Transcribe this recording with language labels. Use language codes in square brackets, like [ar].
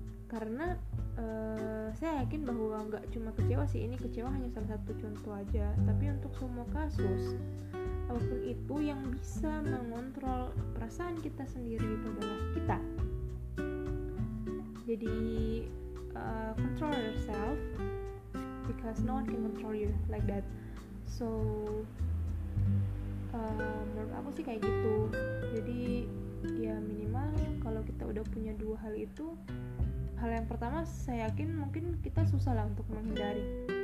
[id] Karena saya yakin bahwa nggak cuma kecewa sih, ini kecewa hanya salah satu contoh aja, tapi untuk semua kasus, apapun itu, yang bisa mengontrol perasaan kita sendiri itu adalah kita. [en] Jadi control yourself because no one can control you like that. [id] So menurut aku sih kayak gitu. Jadi ya minimal kalau kita udah punya dua hal itu, hal yang pertama saya yakin mungkin kita susah lah untuk menghindari.